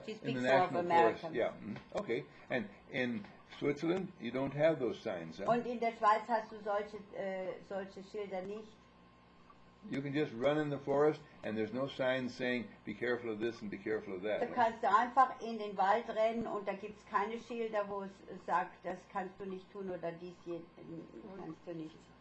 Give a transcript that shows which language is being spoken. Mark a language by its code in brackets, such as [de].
[en] She speaks more of American. Yeah. Okay. And in Switzerland, you don't have those signs. Huh? [de] Und in der Schweiz hast du solche Schilder nicht. [en] You can just run in the forest and there's no sign saying be careful of this and be careful of that. [de] Du kannst einfach in den Wald rennen und da gibt's keine Schilder, wo es sagt, das kannst du nicht tun oder dies hier kannst du nicht.